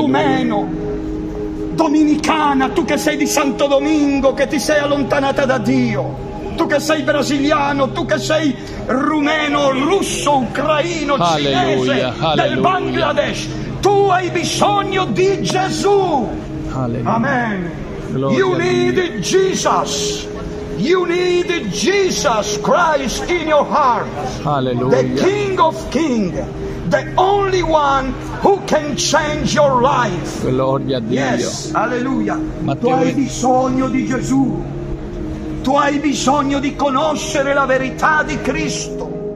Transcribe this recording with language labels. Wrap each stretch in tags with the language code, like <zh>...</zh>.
<it>rumeno, dominicana, tu che sei di Santo Domingo, che ti sei allontanata da Dio, tu che sei brasiliano, tu che sei rumeno, russo, ucraino, alleluia, cinese, alleluia, del Bangladesh, tu hai bisogno di Gesù. Alleluia. Amen. Gloria,</it> <en>you need Jesus. You need Jesus Christ in your heart. Alleluia. The King of Kings. The only one who can change your life.</en> <it>Gloria a Dio.</it> <en>Yes. Alleluia.</en> <it>Matteo, tu hai bisogno di Gesù. Tu hai bisogno di conoscere la verità di Cristo.</it>